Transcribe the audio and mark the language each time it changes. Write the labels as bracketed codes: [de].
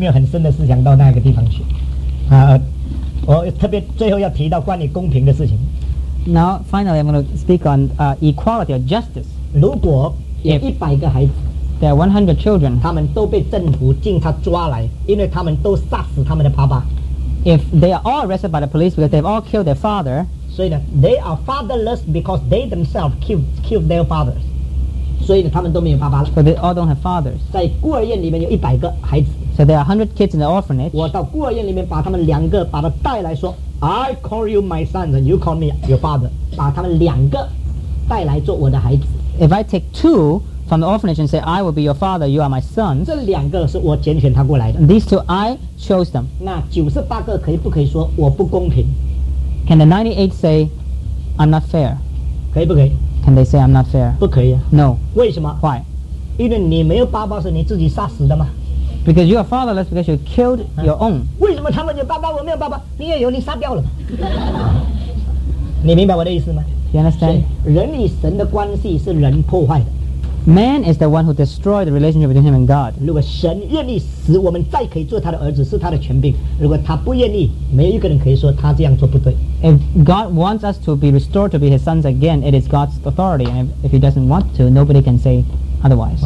[zh] 这个我还没有很深的思想到那个地方去。我特别最后要提到关于公平的事情。Now [en] finally, I'm going to speak on equality or justice. [zh] 如果有100个孩子， [en] there are 100 children, [zh] 他们都被政府警察抓来，因为他们都杀死他们的爸爸。 [en] If they are all arrested by the police because they've all killed their father, [zh] 所以呢, [en] they are fatherless because they themselves killed their fathers. [zh] 所以呢，他们都没有爸爸了。 [en] So they all don't have fathers. [zh] 在孤儿院里面有100个孩子。 [en] So there are 100 kids in the orphanage. [zh] 我到孤儿院里面把他们两个把他带来说， [en] I call you my sons and you call me your father. [zh] 把他们两个带来做我的孩子。 [en] If I take two from the orphanage and say, I will be your father, you are my sons. [zh] 这两个是我拣选他过来的。 [en] These two, I chose them. [zh] 那98个可以不可以说我不公平？ [en] Can the 98 say, I'm not fair? [zh] 可以不可以？ [en] Can they say, I'm not fair? [zh] 不可以啊。 [en] No. [zh] 为什么？ [en] Why? [zh] 因为你没有爸爸是你自己杀死的吗？ [en] Because you are fatherless because you killed your own. [zh] 为什么他们有爸爸，我没有爸爸？你也有，你杀掉了。你明白我的意思吗？ [en] You understand? [zh] 人与神的关系是人破坏的。 [en] Man is the one who destroyed the relationship between him and God. [zh] 如果神愿意使我们再可以做他的儿子，是他的权柄。如果他不愿意，没有一个人可以说他这样做不对。 [en] If God wants us to be restored to be his sons again, it is God's authority. And if he doesn't want to, nobody can say otherwise.